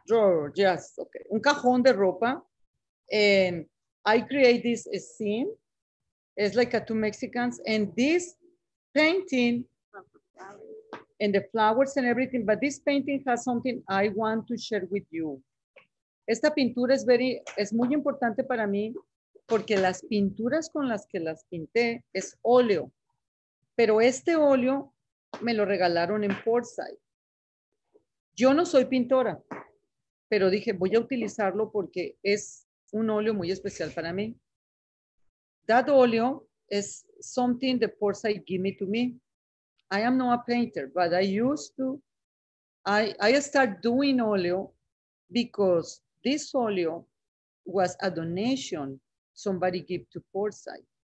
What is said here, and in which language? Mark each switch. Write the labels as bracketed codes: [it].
[en] Drawer, yes, okay. [es] Un cajón de ropa. [en] And I create this scene. It's like a two Mexicans. And this painting, and the flowers and everything, but this painting has something I want to share with you. [es] Esta pintura es muy importante para mí, porque las pinturas con las que las pinté es óleo, pero este óleo me lo regalaron en Portside. Yo no soy pintora, pero dije, voy a utilizarlo porque es un óleo muy especial para mí. [en] That óleo is something the Portside give me to me. I am not a painter, but I used to, I start doing óleo because this óleo was a donation somebody give to Portside.